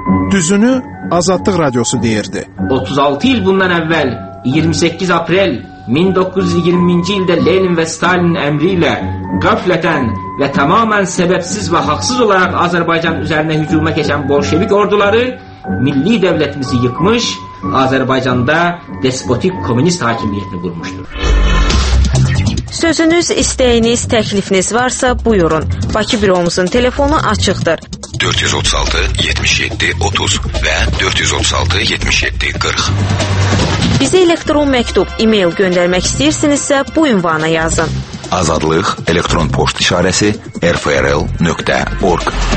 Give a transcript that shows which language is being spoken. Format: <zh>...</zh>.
<az>Düzünü Azadlıq Radiosu deyirdi. 36 il bundan əvvəl 28 aprel 1920-ci ildə Lenin və Stalin əmri ilə qaflətən və tamamən səbəbsiz və haqsız olaraq Azərbaycan üzərinə hücuma keçən bolşevik orduları</az> <tr>milli devletimizi yıkmış, Azerbaycan'da despotik komünist hakimiyetini kurmuştur.</tr> <az>Sözünüz, isteğiniz, təklifiniz varsa buyurun. Bakı büromuzun telefonu açıqdır. 436-77-30 və 436-77-40. Bizə elektron məktub, e-mail göndərmək istəyirsinizsə bu ünvana yazın. Azadlıq elektron poçt işarəsi rfrl.org.</az>